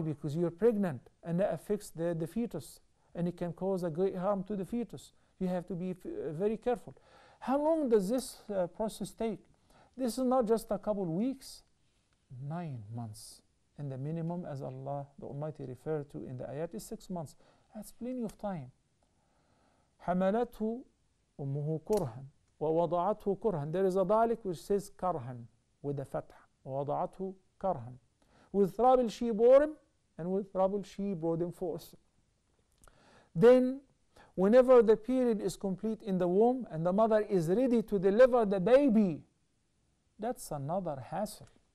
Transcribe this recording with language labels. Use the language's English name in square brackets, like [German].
[English] Because you're pregnant and that affects the fetus and it can cause a great harm to the fetus. You have to be very careful. How long does this process take? This is not just a couple weeks, 9 months. And the minimum, as Allah the Almighty referred to in the ayat, is 6 months. That's plenty of time. [Arabic] حَمَلَتْهُ أُمُّهُ كُرْهًا وَوَضَعَتْهُ كُرْهًا. [English] There is a dialect which says كَرْهًا with a fatha. [Arabic] وَوَضَعَتْهُ كَرْهًا. [English] With trouble she bore him, and with trouble she brought him forth. Then, whenever the period is complete in the womb, and the mother is ready to deliver the baby, that's another hassle.